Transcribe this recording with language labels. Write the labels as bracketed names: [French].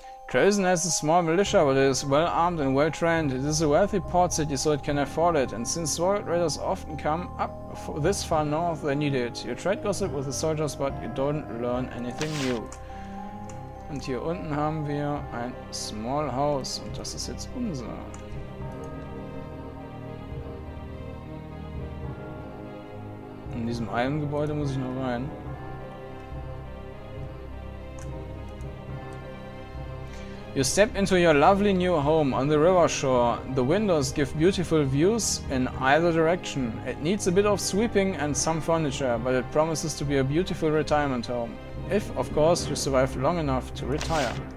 [English] Trazen has a small militia, but it is well armed and well trained. It is a wealthy port city, so it can afford it. And since Void Raiders often come up this far north, they need it. You trade gossip with the soldiers, but you don't learn anything new. [German] Und hier unten haben wir ein Small House und das ist jetzt unser. In diesem einen Gebäude muss ich noch rein. [English] You step into your lovely new home on the river shore. The windows give beautiful views in either direction. It needs a bit of sweeping and some furniture, but it promises to be a beautiful retirement home. If, of course, you survive long enough to retire.